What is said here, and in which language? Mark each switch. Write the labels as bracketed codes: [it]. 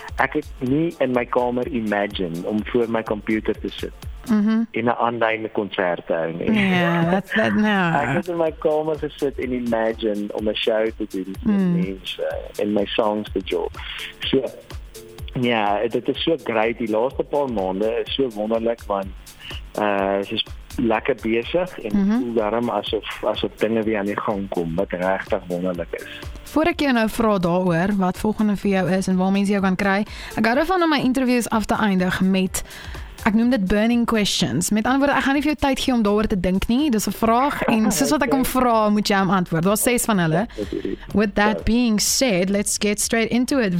[af] Ek het nie in my kamer imagine om voor my computer te sit. In 'n online konsert hou nie. [en] Yeah, that's that now. [af] Ek het in my kamer gesit en imagine om 'n show te doen en my songs te job. So, ja, dit is so great. Die laaste paar maande is so wonderlik, want is lekker besig en voel daarom asof dinge weer aan die gang kom, wat regtig wonderlik is. Voor ek jou nou vra daaroor wat volgende vir jou is en waar mense jou kan kry, ek hou daarvan om my interviews af te eindig met, ek noem dit burning questions. Met ander woorde, ek gaan nie vir jou tyd gee om daaroor te dink nie. Dis 'n vraag en soos wat ek hom vra, moet jy hom antwoord. Daar's 6 van hulle. [en] With that being said, let's get straight into it.